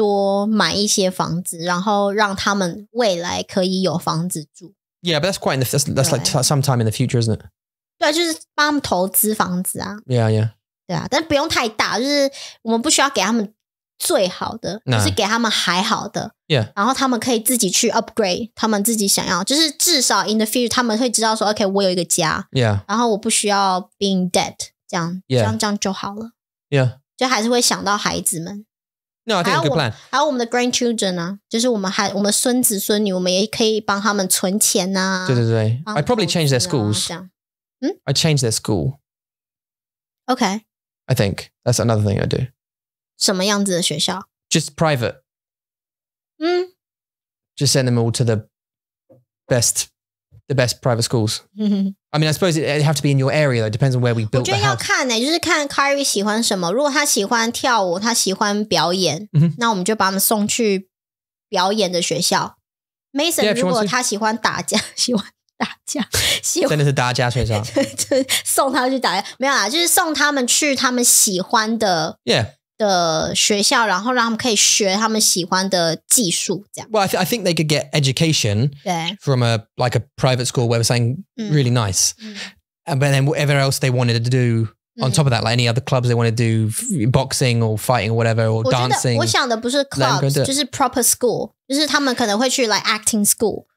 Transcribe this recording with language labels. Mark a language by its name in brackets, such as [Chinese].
[Chinese] 我应该会就是想办法帮我们的孩子吧,就是再多买一些房子, 然后让他们未来可以有房子住。 [English] Yeah, but that's quite, that's like sometime in the future, isn't it? [Chinese] 对,就是帮他们投资房子啊。 [English] Yeah, yeah. [Chinese] 对啊,但不用太大, 就是我们不需要给他们 最好的, [English] no. [Chinese] 就是给他们还好的, [English] yeah. [Chinese] 然后他们可以自己去 upgrade 他们自己想要, 就是至少 [English] in the future [Chinese] 他们会知道说 OK 我有一个家, [English] yeah. [Chinese] 然后我不需要 [English] being debt [Chinese] 这样, [English] yeah. [Chinese] 这样就好了, [English] yeah. [Chinese] 就还是会想到孩子们。 [English] No, I think it's a good plan. [Chinese] 还有我们的 grandchildren 啊, 就是我们孙子孙女, 我们也可以帮他们存钱啊。对对对, [English] I'd probably change their schools. I'd change their school. OK, I think that's another thing I do. [Chinese] 什么样子的学校? [English] Just private. Just send them all to the best private schools. I mean, I suppose it have to be in your area, though. It depends on where we built the house. [Chinese] 我觉得要看欸, 就是看Kyrie喜欢什么, 如果他喜欢跳舞, 他喜欢表演, 那我们就把他们送去表演的学校。 Mason如果他喜欢打架, 喜欢打架。真的是打架学校。送他去打架, 没有啦, 就是送他们去他们喜欢的, [English] yeah. [Chinese] 的学校, 然后让他们可以学他们喜欢的技术, 这样。 [English] Well, I think they could get education from a like a private school where we're saying really nice. But then whatever else they wanted to do on top of that, like any other clubs they want to do, boxing or fighting or whatever, or dancing. [Chinese] 我想的不是 clubs, 就是 [English] proper school. [Chinese] 就是他们可能会去 [English] like acting school.